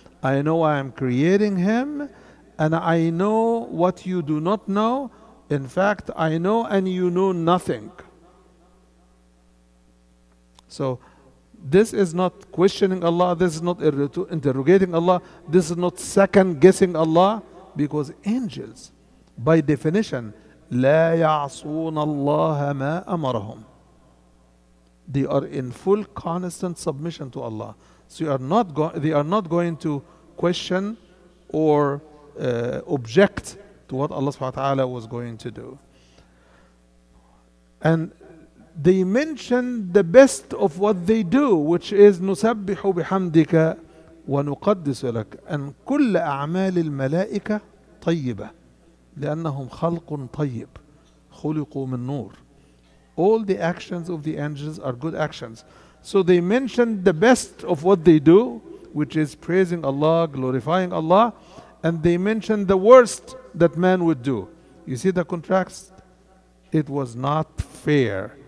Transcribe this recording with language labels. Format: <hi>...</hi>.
<en>I know I am creating him. And I know what you do not know. In fact, I know and you know nothing. So this is not questioning Allah. This is not interrogating Allah. This is not second guessing Allah. Because angels, by definition,</en> <ar>لا يعصون الله ما أمرهم.</ar> <en>They are in full constant submission to Allah. So you are not they are not going to question or object to what Allah subhanahu wa ta'ala was going to do. And they mention the best of what they do, which is</en> <ar>نُسَبِّحُ بِحَمْدِكَ وَنُقَدِّسُ لَكَ أَنْ كُلَّ أَعْمَالِ الْمَلَائِكَةِ طَيِّبَةٌ لِأَنَّهُمْ خَلْقٌ طَيِّبٌ خُلِقُوا مِنْ نُورٍ.</ar> <en>All the actions of the angels are good actions. So they mention the best of what they do, which is praising Allah, glorifying Allah, and they mention the worst that man would do. You see the contrast? It was not fair.</en>